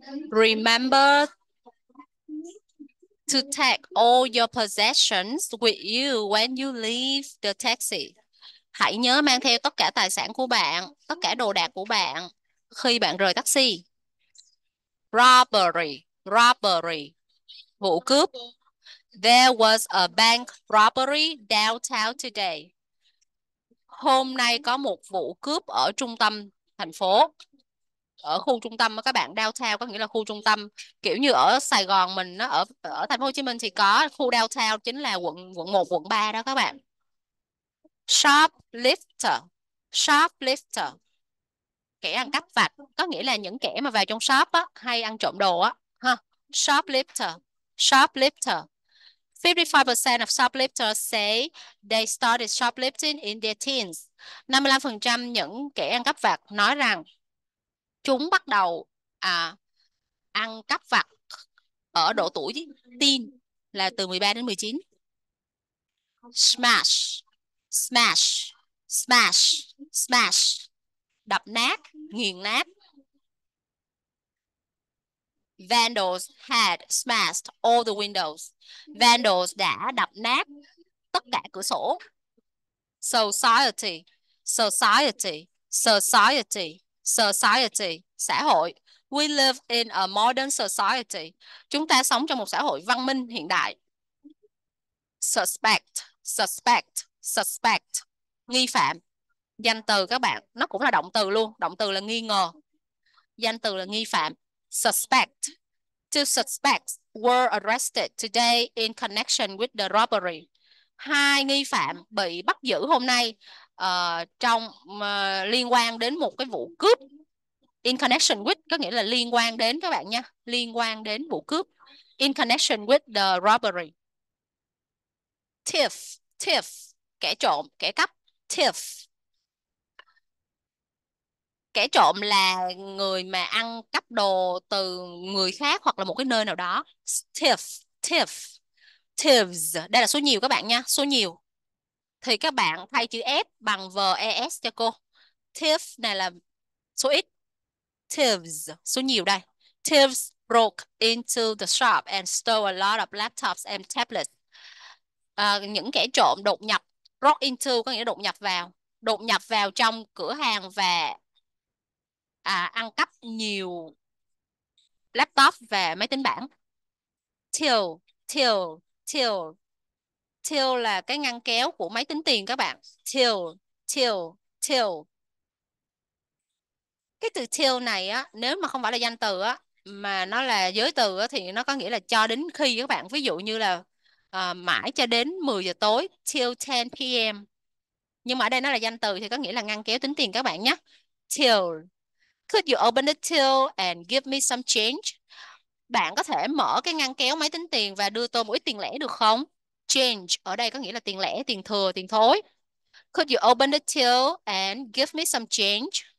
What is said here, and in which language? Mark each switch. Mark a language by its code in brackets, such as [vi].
[en] Remember to take all your possessions with you when you leave the taxi. [vi] Hãy nhớ mang theo tất cả tài sản của bạn, tất cả đồ đạc của bạn khi bạn rời taxi. Robbery, robbery, vụ cướp. [en] There was a bank robbery downtown today. [vi] Hôm nay có một vụ cướp ở trung tâm thành phố. Ở khu trung tâm các bạn, downtown có nghĩa là khu trung tâm, kiểu như ở Sài Gòn mình, nó ở thành phố Hồ Chí Minh thì có khu downtown, chính là quận quận 1, quận 3 đó các bạn. Shoplifter, shoplifter, kẻ ăn cắp vặt, có nghĩa là những kẻ mà vào trong shop á hay ăn trộm đồ á ha. [en] Shoplifter, shoplifter. 55% of shoplifters say they started shoplifting in their teens. [vi] 55% những kẻ ăn cắp vặt nói rằng chúng bắt đầu ăn cắp vặt ở độ tuổi teen, là từ 13 đến 19. [en] Smash, smash, smash, smash. [vi] Đập nát, nghiền nát. [en] Vandals had smashed all the windows. [vi] Vandals đã đập nát tất cả cửa sổ. Society, society, society, society, xã hội. [en] We live in a modern society. [vi] Chúng ta sống trong một xã hội văn minh hiện đại. Suspect, suspect, suspect. Nghi phạm. Danh từ các bạn, nó cũng là động từ luôn, động từ là nghi ngờ. danh từ là nghi phạm. Suspect. [en] Two suspects were arrested today in connection with the robbery. [vi] Hai nghi phạm bị bắt giữ hôm nay trong liên quan đến một cái vụ cướp. In connection with có nghĩa là liên quan đến các bạn nha, liên quan đến vụ cướp. [en] In connection with the robbery. Thief, thief, [vi] kẻ trộm, kẻ cắp. [en] Thief. [vi] Kẻ trộm là người mà ăn cắp đồ từ người khác hoặc là một cái nơi nào đó. Thief, thief, thieves. Đây là số nhiều các bạn nha, số nhiều. Thì các bạn thay chữ F bằng VES cho cô. Thief này là số ít. Thieves, số nhiều đây. [en] Thieves broke into the shop and stole a lot of laptops and tablets. [vi] Những kẻ trộm đột nhập. Broke into có nghĩa đột nhập vào. Đột nhập vào trong cửa hàng và ăn cắp nhiều laptop và máy tính bảng. Till, till, till. Till là cái ngăn kéo của máy tính tiền các bạn. [en] Till, till, till. [vi] Cái từ till này á, nếu mà không phải là danh từ á, mà nó là giới từ á, thì nó có nghĩa là cho đến khi các bạn, ví dụ như là mãi cho đến 10 giờ tối, till 10 p.m. Nhưng mà ở đây nó là danh từ thì có nghĩa là ngăn kéo tính tiền các bạn nhé. [en] Till. Could you open the till and give me some change? [vi] Bạn có thể mở cái ngăn kéo máy tính tiền và đưa tôi một ít tiền lẻ được không? Change ở đây có nghĩa là tiền lẻ, tiền thừa, tiền thối. [en] Could you open the till and give me some change?